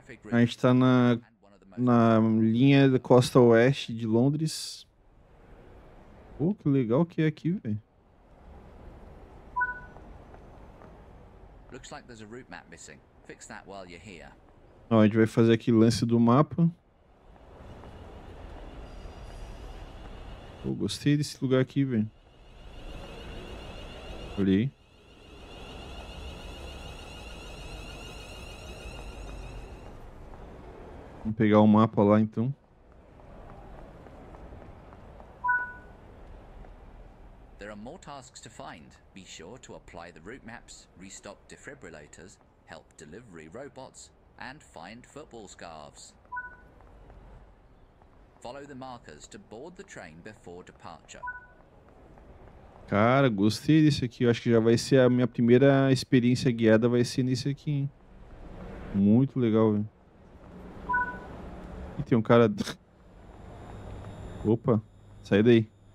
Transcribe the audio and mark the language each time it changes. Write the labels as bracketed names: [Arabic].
[Portuguese] A gente tá na linha da costa oeste de Londres. Pô, que legal que é aqui, velho. [English] Looks like there's a route map missing. Fix that while you're here. [Portuguese] Ó, a gente vai fazer aqui lance do mapa. Pô, gostei desse lugar aqui, velho. Olhei. Vamos pegar o mapa lá, então. [English] There are more tasks to find. Be sure to apply the route maps, restock defibrillators, help delivery robots, and find football scarves. Follow the markers to board the train before departure. [Portuguese] Cara, gostei desse aqui. Eu acho que já vai ser a minha primeira experiência guiada, vai ser nesse aqui, hein? Muito legal, velho. E tem um cara. Opa, sai daí.